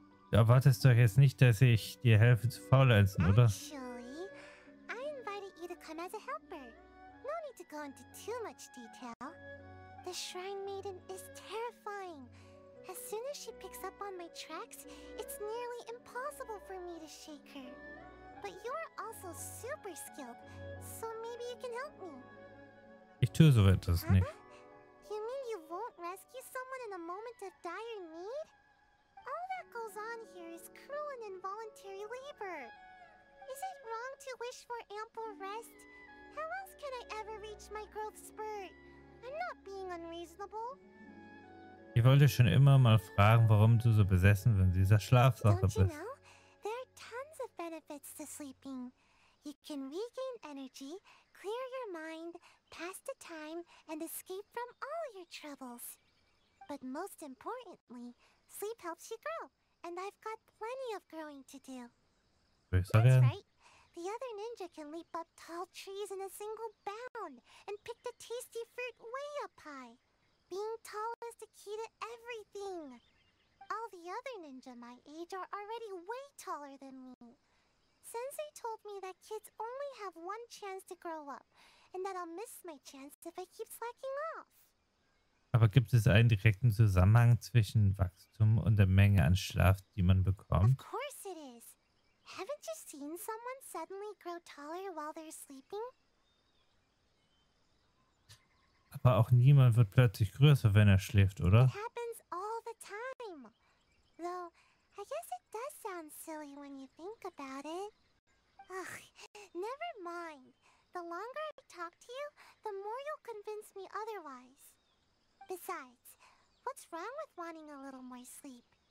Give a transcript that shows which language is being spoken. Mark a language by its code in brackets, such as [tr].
[de] Du erwartest doch jetzt nicht, dass ich dir helfe zu faulenzen, oder? [en] Actually, I invited you to come as a helper. No need to go into too much detail. The Shrine Maiden is terrifying. As soon as she picks up on my tracks, it's nearly impossible for me to shake her. But you're also super skilled, so maybe you can help me. [de] Ich tue so etwas nicht. [en] You mean you won't rescue someone in a moment of dire need? All that goes on here is cruel and involuntary labor. Is it wrong to wish for ample rest? How else can I ever reach my growth spurt? I'm not being unreasonable. [de] Ich wollte schon immer mal fragen, warum du so besessen von dieser Schlafsache bist. [en] Don't you know? There are tons of benefits to sleeping. You can regain energy, clear your mind, pass the time and escape from all your troubles. But most importantly, sleep helps you grow. And I've got plenty of growing to do. That's right. The other ninja can leap up tall trees in a single bound and pick the tasty fruit way up high. Being tall is the key to everything. All the other ninja my age are already way taller than me. Sensei told me that kids only have one chance to grow up and that I'll miss my chance if I keep slacking off. [de] Aber gibt es einen direkten Zusammenhang zwischen Wachstum und der Menge an Schlaf, die man bekommt? [en] Of course it is. Haven't you seen someone suddenly grow taller while they're sleeping? [de] Aber auch niemand wird plötzlich größer, wenn er schläft, oder? [en] It happens all the time. Though, I guess it does sound silly when you think about it. Ugh, never mind. The longer I talk to you, the more you'll convince me otherwise. Besides, what's wrong with wanting a little more sleep?